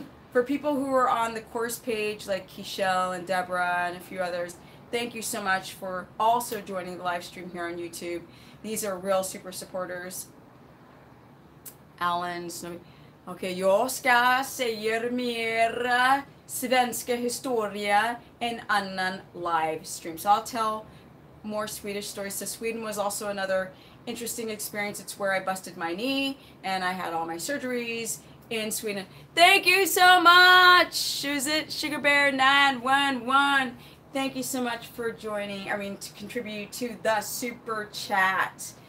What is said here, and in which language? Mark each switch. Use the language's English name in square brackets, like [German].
[English] For people who are on the course page, like Kishel and Deborah and a few others, thank you so much for also joining the live stream here on YouTube. These are real super supporters. [Swedish] Alan, okay, jag ska säga mer svenska historia en annan live stream. [English] So I'll tell more Swedish stories. So Sweden was also another interesting experience. It's where I busted my knee and I had all my surgeries in Sweden. Thank you so much. Is it Sugar Bear 911? Thank you so much for joining. To contribute to the super chat.